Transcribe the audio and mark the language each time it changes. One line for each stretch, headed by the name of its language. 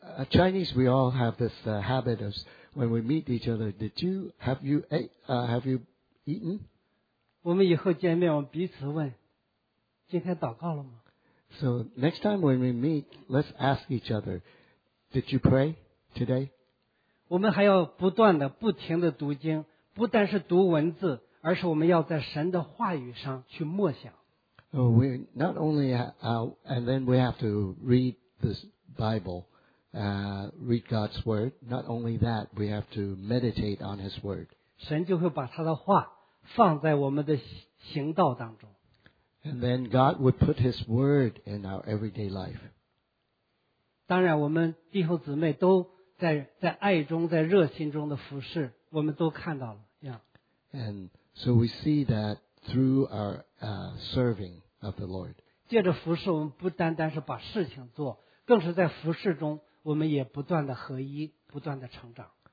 English: Chinese, we all have this habit of when we meet each other, have you eaten?
Chinese: 我们以后见面，我们彼此问，今天祷告了吗？
English: So next time when we meet, let's ask each other, did you pray today?
Chinese: 我们还要不断的、不停的读经，不但是读文字，而是我们要在神的话语上去默想。
English: We not only and then we have to read this Bible, read God's word. Not only that, we have to meditate on His word.
Chinese: 神就会把他的话放在我们的行道当中。
English: And then God would put His word in our everyday life.
Chinese: 当然，我们弟兄姊妹都。在爱中，在热心中的服侍，我们都看到了。 Yeah.
English: And so we see that through our serving of the Lord.
Chinese: 借着服侍，我们不单单是把事情做，更是在服侍中，我们也不断的合一，不断的成长。